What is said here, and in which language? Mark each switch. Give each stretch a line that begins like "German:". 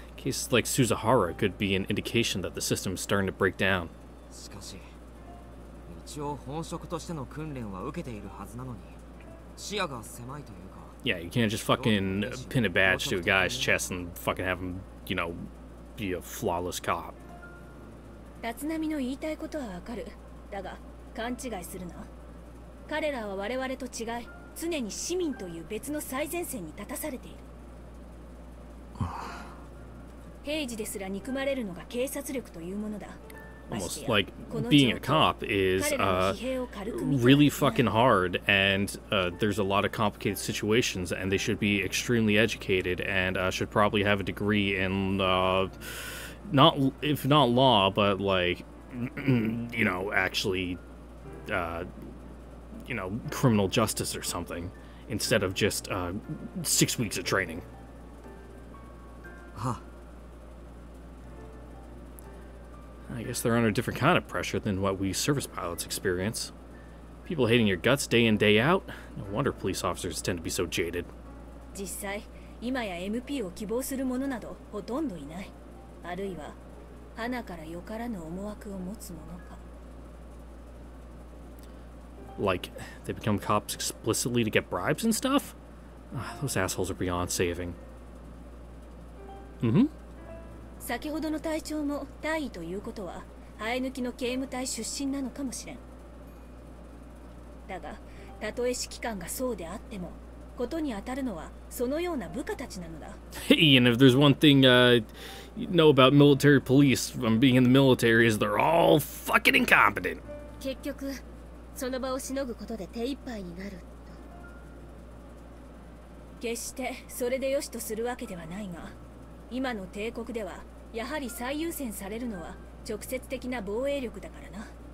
English: Cases like Suzuhara could be an indication that the system is starting to break down.
Japanese: しかし、一応本職としての訓練は受けているはずなのに、視野が狭いというか。
English: Yeah, you can't just fucking pin a badge to a guy's chest and fucking have him, you know, be a flawless cop.
Japanese: 立浪の言いたいことはわかる。だが、勘違いするな。彼らは我々と違い、常に市民という別の最前線に立たされている。平時ですら憎まれるのが警察力というものだ。
English: Almost like being a cop is really fucking hard, and there's a lot of complicated situations, and they should be extremely educated, and should probably have a degree in not if not law, but like you know actually you know criminal justice or something, instead of just 6 weeks of training. Huh. I guess they're under a different kind of pressure than what we service pilots experience. People hating your guts day in, day out? No wonder police officers tend to be so jaded.
Japanese: 実際、今や MP を希望する者などほとんどいない。あるいは、鼻からよからぬ思惑を持つ者か。
English: Like, they become cops explicitly to get bribes and stuff? Those assholes are beyond saving. Mm-hmm.
Japanese: 先ほどの隊長も大尉ということは、生え抜きの刑務隊出身なのかもしれん。だが、たとえ指揮官がそうであっても、ことに当たるのはそのような部下たちなのだ。
English: Hey, and if there's one thing I know about military police from being in the military is they're all fucking incompetent.
Japanese: 結局、その場をしのぐことで手一杯になる。決してそれでよしとするわけではないが。今の帝国ではやはり最優先されるのは直接的な防衛力だからな。